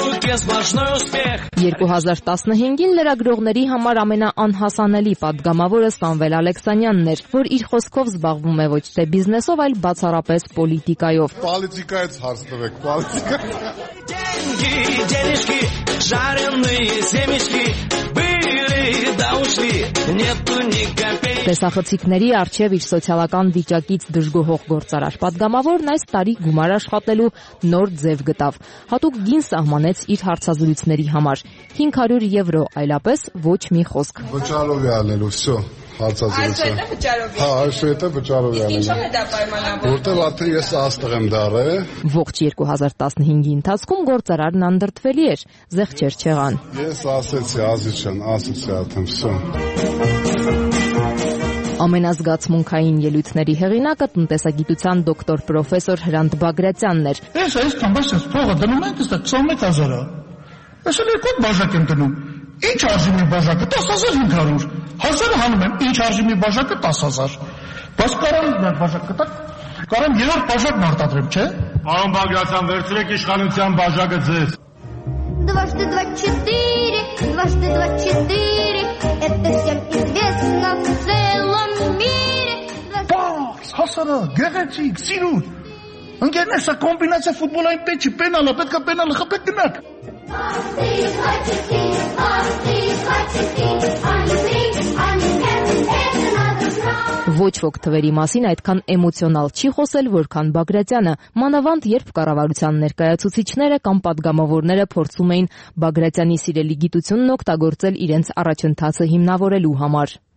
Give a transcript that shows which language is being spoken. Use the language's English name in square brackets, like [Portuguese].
[Armenian] 2015-ին լրագրողների համար ամենաանհասանելի պատգամավորը Սամվել Ալեքսանյանն էր, որ իր խոսքով զբաղվում է ոչ թե բիզնեսով, այլ բացառապես պոլիտիկայով։ Պոլիտիկայից հարց տվեք, պոլիտիկա։ [Russian] Деньги, денежки, жареные семечки были да ушли, нету ни копейки. [Armenian] Տեսախցիկների արչև իր սոցիալական վիճակից դժգոհող գործարար պատգամավորն այս տարի գումար աշխատելու նոր ձև գտավ։ Հատուկ գին սահմանեց իր հարցազրույցների համար 500 եվրո, այլապես ոչ մի խոսք։ Վճարովի անելու, [Russian] всё, [Armenian] հարցազրույցը։ Այս դեպքում վճարովի։ Հա, այս դեպքում վճարովի անելու։ Ինչո՞ւ է դա պայմանավոր։ Որտեղ ապրի ես աստղ եմ դարը։ Ողջ 2015-ի ընթացքում գործարարն անդրդվելի էր, զեղչեր չեղան։ Ես ասեցի, ազիջան, ասեցի արդեն, [Russian] всё։ [Armenian] Ամենազգացմունքային ելույթների հեղինակը տնտեսագիտության դոկտոր պրոֆեսոր Հրանտ Բագրատյանն էր։ Ես այս քամբաշը փողը դնում եմ, դա 21000-ը։ Ես էլ երկու բաժակ եմ դնում։ Ինչ արժի մի բաժակը 10500։ 1000-ը հանում եմ, ինչ արժի մի բաժակը 10000։ Բայց կարամ մի բաժակ կտակ։ Կարամ երրորդ բաժակն արտադրեմ, չէ՞։ Պարոն Բագրատյան, վերցրեք իշխանության բաժակը ձեզ։ [Russian] 224 224 это всем известно в целом мире. [Armenian] Բաս, հասարա, գեղեցիկ, սիրուն։ Ընկերներս, սա կոմբինացիա ֆուտբոլային պետք է պենալը, պետք է պենալը խփեք գնանք։ Ոչ ոք թվերի մասին այդքան էմոցիոնալ չի խոսել, որքան Բագրատյանը, մանավանդ երբ կառավարության ներկայացուցիչները կամ պատգամավորները փորձում էին Բագրատյանի սիրելի գիտությունն օգտագործել իրենց առաջընթացը հիմնավորելու համար։